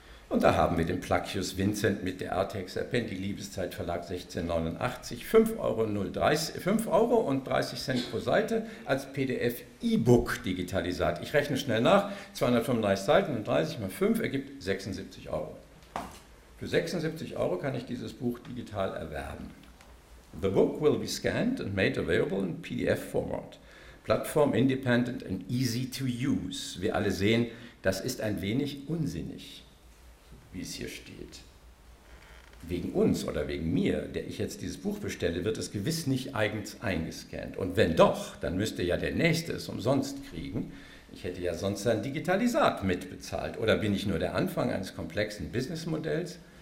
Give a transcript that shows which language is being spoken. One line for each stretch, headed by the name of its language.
German: Und da haben wir den Placius Vincent mit der Artex Append, die Liebeszeit Verlag 1689, 5,30 Euro pro Seite als PDF-E-Book-Digitalisat. Ich rechne schnell nach, 235 Seiten und 30 mal 5 ergibt 76 Euro. Für 76 Euro kann ich dieses Buch digital erwerben.
English: The book will be scanned and made available in PDF-Format. Platform independent and easy to use.
German: Wir alle sehen, das ist ein wenig unsinnig, wie es hier steht. Wegen uns oder wegen mir, der ich jetzt dieses Buch bestelle, wird es gewiss nicht eigens eingescannt. Und wenn doch, dann müsste ja der Nächste es umsonst kriegen. Ich hätte ja sonst sein Digitalisat mitbezahlt. Oder bin ich nur der Anfang eines komplexen Businessmodells?